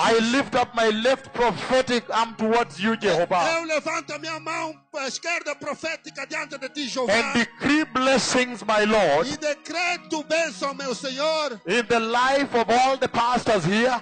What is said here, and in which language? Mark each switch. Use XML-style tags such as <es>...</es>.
<en>I lift up my left prophetic arm towards you, Jehovah.</en> <pt>Eu levanto a minha mão esquerda profética diante de ti, Jeová.</pt> <en>And decree blessings, my Lord.</en> <pt>E decreto bênção, meu Senhor.</pt> <en>In the life of all the pastors here.</en>